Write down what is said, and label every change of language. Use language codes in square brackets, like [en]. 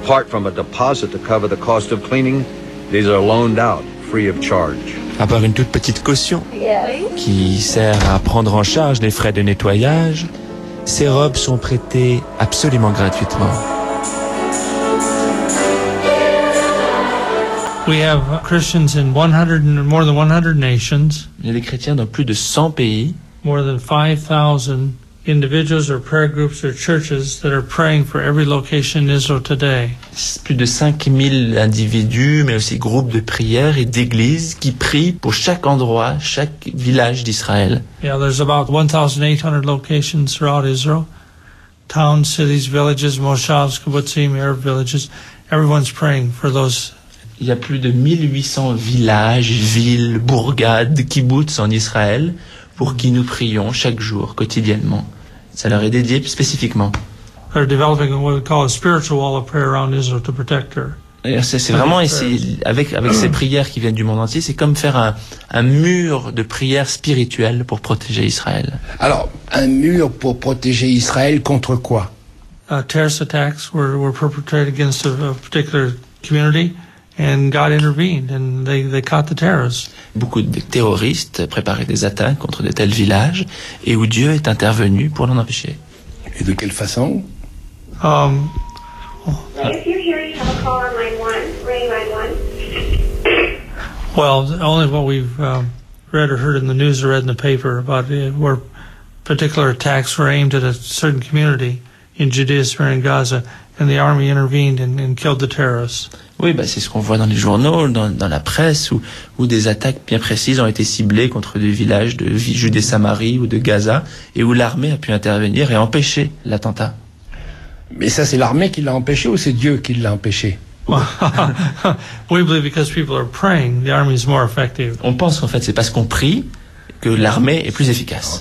[en] Apart from a deposit to cover the cost of cleaning, these are loaned out free of charge. [fr] À part une toute petite caution, [en] yes, [fr] qui sert à prendre en charge les frais de nettoyage, ces robes sont prêtées absolument gratuitement. [en] We have Christians in 100 and more than 100 nations. [fr] Il y a des chrétiens dans plus de 100 pays. [en] More than 5,000 individuals or prayer groups or churches that are praying for every location in Israel today. [fr] Plus de 5,000 individus, mais aussi groupes de prières et d'églises qui prient pour chaque endroit, chaque village d'Israël. [en] Yeah, there's about 1,800 locations throughout Israel. Towns, cities, villages, moshavs, kibbutzim, Arab villages. Everyone's praying for those. [fr] Il y a plus de 1,800 villages, villes, bourgades, kibbutz en Israël pour qui nous prions chaque jour, quotidiennement. Ça leur est dédié spécifiquement. [en] They're developing what we call a spiritual wall of prayer around Israel to protect her. [fr] C'est vraiment avec ces prières qui viennent du monde entier, c'est comme faire un mur de prières spirituelles pour protéger Israël. Alors, un mur pour protéger Israël contre quoi? [en] Terrorist attacks were perpetrated against a particular community. And God intervened, and they caught the terrorists. [fr] Beaucoup de terroristes préparaient des attaques contre de tels villages, et où Dieu est intervenu pour l'en empêcher. Et de quelle façon? [en] If you're here, you have a call on line one, ring line one. Well, only what we've read or heard in the news or read in the paper about it, where particular attacks were aimed at a certain community in Judea, Samaria, and Gaza, and the army intervened and killed the terrorists. [fr] Oui, c'est ce qu'on voit dans les journaux, dans la presse, où des attaques bien précises ont été ciblées contre des villages de Judée-Samarie ou de Gaza, et où l'armée a pu intervenir et empêcher l'attentat. Mais ça, c'est l'armée qui l'a empêché ou c'est Dieu qui l'a empêché? [en] We believe because people are praying, the army is more effective. [fr] On pense qu'en fait, c'est parce qu'on prie que l'armée est plus efficace.